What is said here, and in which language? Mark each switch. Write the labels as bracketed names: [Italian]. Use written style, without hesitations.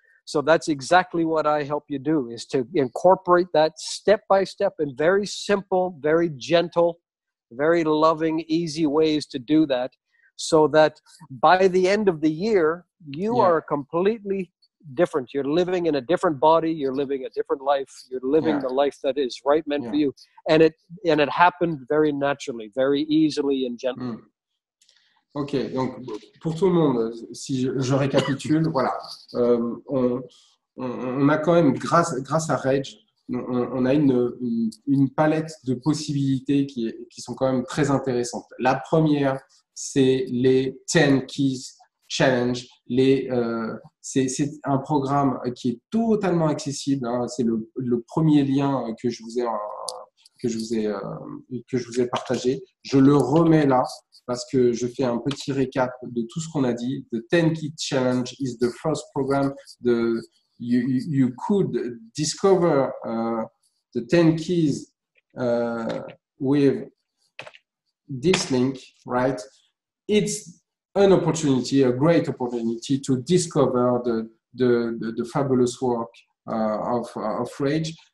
[English] So that's exactly what I help you do, is to incorporate that step by step in very simple, very gentle, very loving, easy ways to do that, so that by the end of the year, you are completely different. You're living in a different body. You're living a different life. You're living the life that is right meant for you. And it happened very naturally, very easily and gently. Mm. [French] Ok, donc pour tout le monde, si je récapitule, voilà, on a quand même, grâce à Reg, on a une palette de possibilités qui sont quand même très intéressantes. La première, c'est les 10 Keys Challenge. C'est un programme qui est totalement accessible. Hein, c'est le premier lien que je vous ai partagé. Je le remets là, parce que je fais un petit récap de tout ce qu'on a dit. [English] The 10 Key Challenge is the first program. You could discover the 10 keys with this link, right? It's an opportunity, a great opportunity to discover the fabulous work of Rage.